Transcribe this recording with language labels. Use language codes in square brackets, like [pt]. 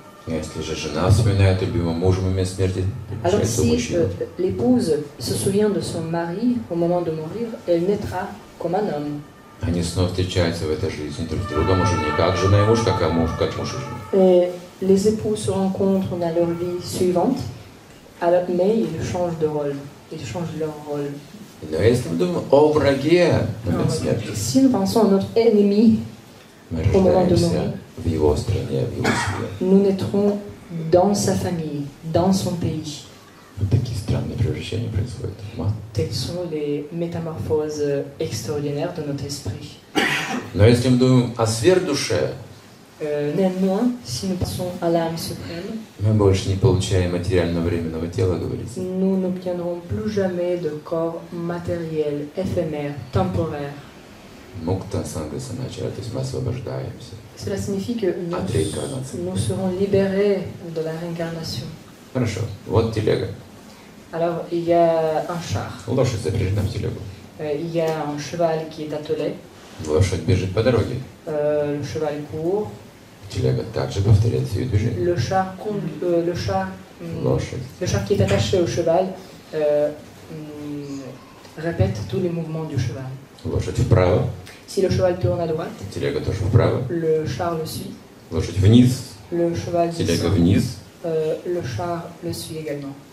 [ru] Если же жена вспоминает любимого мужа в момент смерти, они снова встречаются в этой жизни друг с другом, уже не как жена и муж, как муж, как муж и жена. [fr] Les époux se rencontrent dans leur vie suivante, alors, mais ils changent de rôle, ils changent leur rôle. [ru] Но если мы думаем о враге в момент смерти, [fr] si nous pensons à notre ennemi au moment de mourir, [ru] в его стране, в его семье. [fr] Nous naîtrons dans sa famille, dans son pays. [ru] Вот такие странные превращения происходят. [fr] Telles sont les métamorphoses extraordinaires de notre esprit. [ru] Но если мы думаем о сверхдуше, [fr] néanmoins, si nous pensons à l'âme suprême, [ru] мы больше не получаем материально-временного тела, говорится. [fr] Nous n'obtiendrons plus jamais de corps matériel, éphémère, temporaire. [sa] Мукта санга саначара, [ru] то есть мы освобождаемся. [fr] Cela signifie que nous serons libérés de la réincarnation. [ru] Хорошо. Вот телега. [fr] Alors, il y a un char. [ru] Лошадь запряжена в телегу. [fr] Il y a un cheval qui est attelé. [ru] Лошадь бежит по дороге. [fr] Le cheval court. [ru] Телега также повторяет свое движение. [fr] Le char conduit, le char. [ru] Лошадь. [fr] Le char qui est attaché au cheval répète tous les mouvements du cheval. [ru] Лошадь вправо. [fr] Si le cheval tourne à droite. [ru] Телега тоже вправо. [fr] Le char le suit. [ru] Лошадь вниз. [fr] Le cheval descend. [ru] Телега вниз. [fr] Le char le suit également.